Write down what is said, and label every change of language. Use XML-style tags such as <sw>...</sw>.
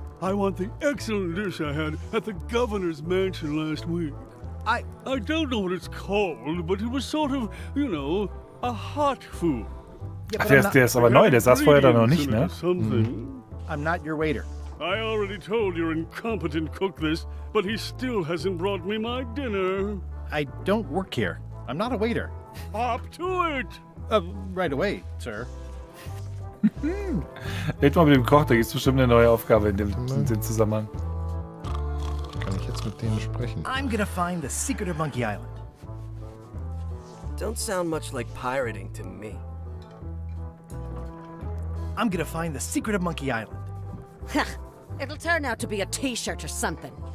<en>I want the excellent dish I had at the governor's mansion last week. I don't know what it's called, but it was sort of, you know, a hot food.</en> <de>Ach, der ist aber neu, der saß vorher da noch nicht, ne?</de> <en>I'm not your waiter. I already told your incompetent cook this, but he still hasn't brought me my dinner. I don't work here. I'm not a waiter. Hop to it! Right away, sir.</en> <de>Red mal mit dem Koch, da gibt's bestimmt eine neue Aufgabe in dem Zusammenhang. Kann ich jetzt mit denen sprechen?</de> <en>I'm gonna find the secret of Monkey Island. Don't sound much like pirating to me. I'm gonna find the secret of Monkey Island. It'll turn out to be a t-shirt or something.</en>